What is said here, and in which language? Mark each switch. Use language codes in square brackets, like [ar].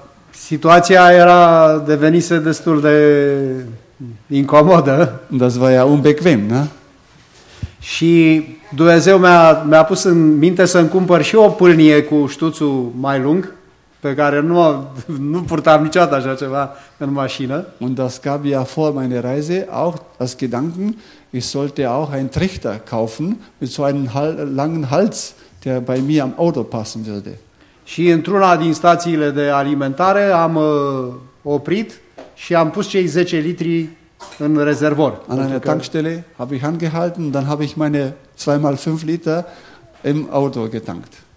[ro] Situația era devenise destul de incomodă. [de] Das war ja unbequem, ne? [ro] Și Dumnezeu mi-a pus în minte să-mi cumpăr și o pâlnie cu ștuțul mai lung, pe care nu purtam niciodată așa ceva în mașină. [de] Und das gab ja vor meiner Reise auch das Gedanken, ich sollte auch einen Trichter kaufen mit so einem langen Hals, der bei mir am Auto passen würde. [ro] Și într-una din stațiile de alimentare am oprit și am pus cei 10 litri în rezervor. [de] An einer Tankstelle habe ich angehalten, dann habe ich meine 2x5 Liter im Auto getankt.